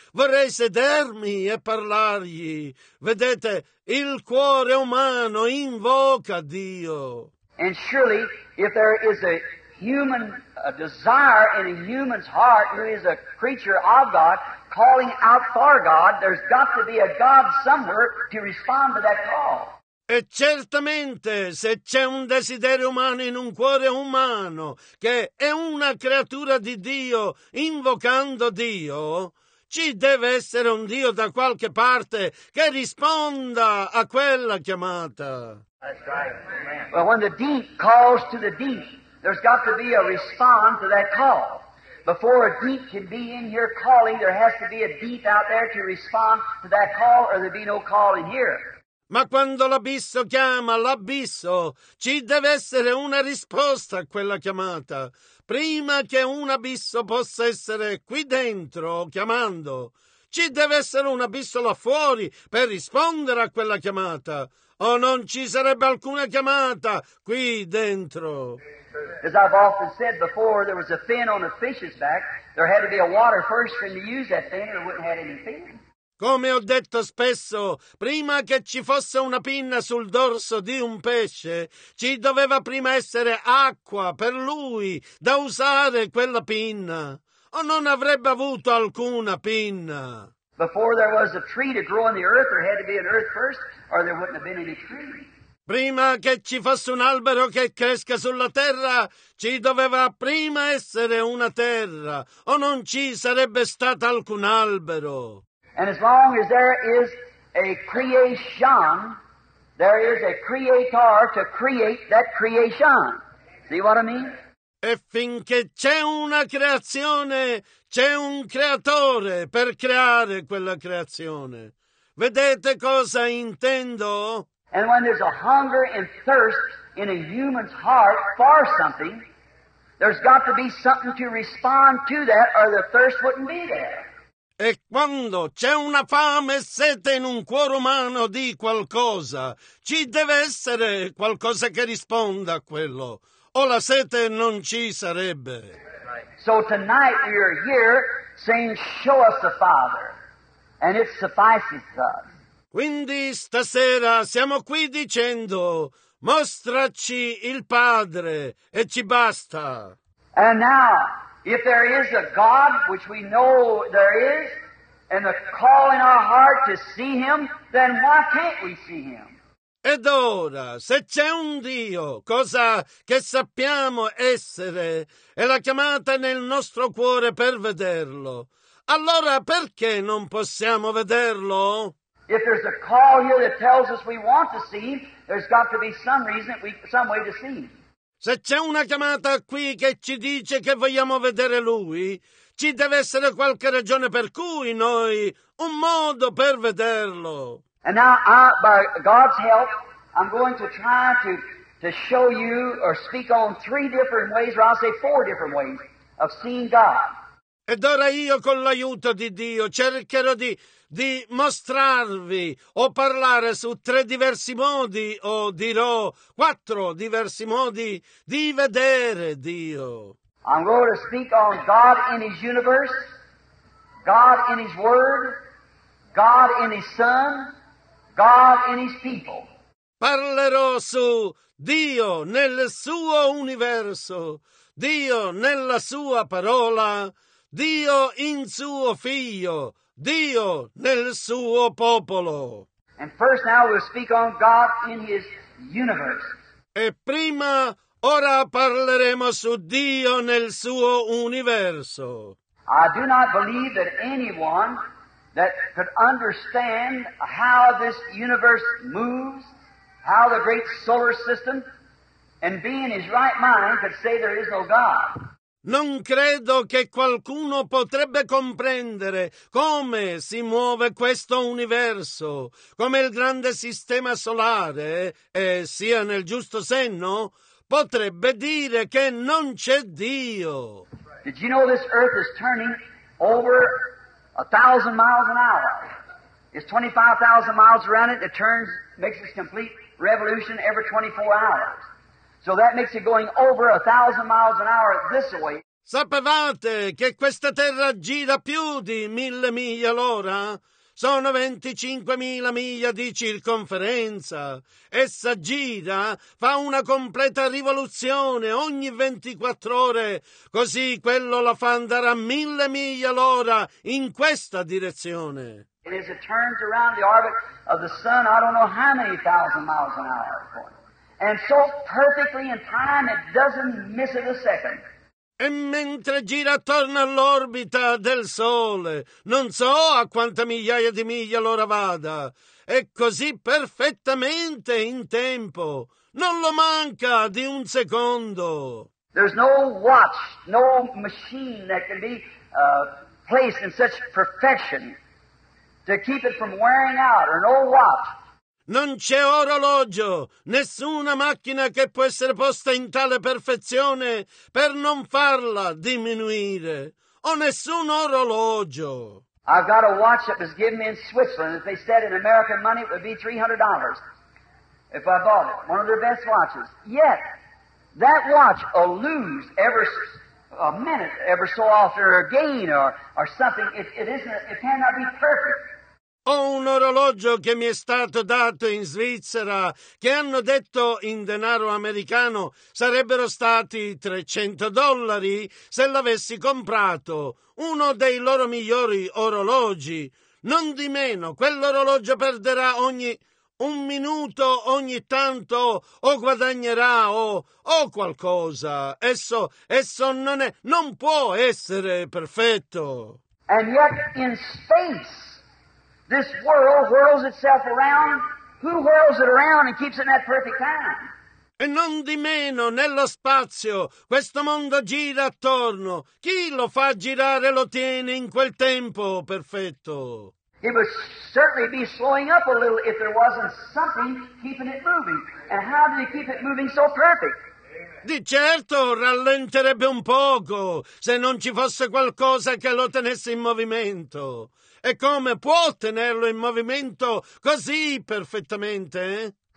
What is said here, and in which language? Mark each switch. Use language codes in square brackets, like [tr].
[it] Vorrei sedermi e parlargli. Vedete, il cuore umano invoca Dio. [en] And surely if there is a human a desire in a human's heart who is a creature of God, calling out for God, there's got to be a God somewhere to respond to that call. [it] E certamente se c'è un desiderio umano in un cuore umano che è una creatura di Dio invocando Dio, ci deve essere un Dio da qualche parte che risponda a quella chiamata. [en] That's right. Well, when the deep calls to the deep, there's got to be a response to that call. Before a deep can be in here calling, there has to be a deep out there to respond to that call, or there'd be no call in here. [it] Ma quando l'abisso chiama l'abisso, ci deve essere una risposta a quella chiamata. Prima che un abisso possa essere qui dentro chiamando, ci deve essere un abisso là fuori per rispondere a quella chiamata. O non ci sarebbe alcuna chiamata qui dentro. [en] As I've often said before, there was a fin on a fish's back. There had to be a water first for him to use that fin, or it wouldn't have any fin. [it] Come ho detto spesso, prima che ci fosse una pinna sul dorso di un pesce, ci doveva prima essere acqua per lui da usare quella pinna, o non avrebbe avuto alcuna pinna. [en] Before there was a tree to grow in the earth, there had to be an earth first, or there wouldn't have been any tree. [it] Prima che ci fosse un albero che cresca sulla terra, ci doveva prima essere una terra, o non ci sarebbe stato alcun albero. [en] And as long as there is a creation, there is a creator to create that creation. See what I mean? [it] E finché c'è una creazione, c'è un creatore per creare quella creazione. Vedete cosa intendo? [en] And when there's a hunger and thirst in a human's heart for something, there's got to be something to respond to that, or the thirst wouldn't be there. [it] E quando c'è una fame e sete in un cuore umano di qualcosa, ci deve essere qualcosa che risponda a quello, o la sete non ci sarebbe. [en] So tonight we are here saying, show us the Father, and it suffices us. [it] Quindi stasera siamo qui dicendo, mostraci il Padre e ci basta. [en] And now, if there is a God, which we know there is, and a call in our heart to see Him, then why can't we see Him? [it] Ed ora, se c'è un Dio, cosa che sappiamo essere, è la chiamata nel nostro cuore per vederlo, allora perché non possiamo vederlo? [en] If there's a call here that tells us we want to see Him, there's got to be some reason, some way to see Him. [it] Se c'è una chiamata qui che ci dice che vogliamo vedere Lui, ci deve essere qualche ragione per cui noi, un modo per vederlo. [en] And now, by God's help, I'm going to try to show you or speak on three different ways, or I'll say four different ways, of seeing God. [it] Ed ora io, con l'aiuto di Dio, cercherò di mostrarvi o parlare su tre diversi modi, o dirò quattro diversi modi di vedere Dio. [en] I'm going to speak on God in His universe, God in His Word, God in His Son, God in His people. [it] Parlerò su Dio nel suo universo, Dio nella sua parola, Dio in suo Figlio, Dio nel suo popolo. [en] And first now we'll speak on God in His universe. [it] E prima, ora parleremo su Dio nel suo universo. [en] I do not believe that anyone that could understand how this universe moves, how the great solar system, and be in his right mind could say there is no God. [it] Non credo che qualcuno potrebbe comprendere come si muove questo universo, come il grande sistema solare, e sia nel giusto senno, potrebbe dire che non c'è Dio. [en] Did you know this earth is turning over 1,000 miles an hour. It's 25,000 miles around it. It turns, makes its complete revolution every 24 hours. So that makes it going over 1,000 miles an hour this way. [it] Sapevate che questa terra gira più di 1,000 miglia l'ora? Sono 25.000 miglia di circonferenza. Essa gira, fa una completa rivoluzione ogni 24 ore. Così quello la fa andare a 1,000 miglia l'ora in questa direzione. [en] And as it turns around the orbit of the sun, I don't know how many thousand miles an hour. And so perfectly in time, it doesn't miss it a second. [it] E mentre gira attorno all'orbita del Sole, non so a quanta migliaia di miglia l'ora vada, è così perfettamente in tempo, non lo manca di un secondo. [en] There's no watch, no machine that can be placed in such perfection to keep it from wearing out, or no watch. [it] Non c'è orologio, nessuna macchina che può essere posta in tale perfezione per non farla diminuire. O nessun orologio. [en] I've got a watch that was given me in Switzerland. If they said in American money, it would be $300 if I bought it. One of their best watches. Yet, that watch will lose every a minute, every so often, or gain, or something. It cannot be perfect. [it] Ho un orologio che mi è stato dato in Svizzera, che hanno detto in denaro americano sarebbero stati $300 se l'avessi comprato, uno dei loro migliori orologi. Non di meno, quell'orologio perderà ogni un minuto ogni tanto, o guadagnerà o qualcosa. Esso non può essere perfetto. [en] And yet in space. This world whirls itself around. Who whirls it around and keeps it in that perfect time? [it] E non di meno, nello spazio, questo mondo gira attorno. Chi lo fa girare lo tiene in quel tempo perfetto? [en] It would certainly be slowing up a little if there wasn't something keeping it moving. And how do they keep it moving so perfect? [it] Di certo rallenterebbe un poco se non ci fosse qualcosa che lo tenesse in movimento. E come può tenerlo in movimento così perfettamente?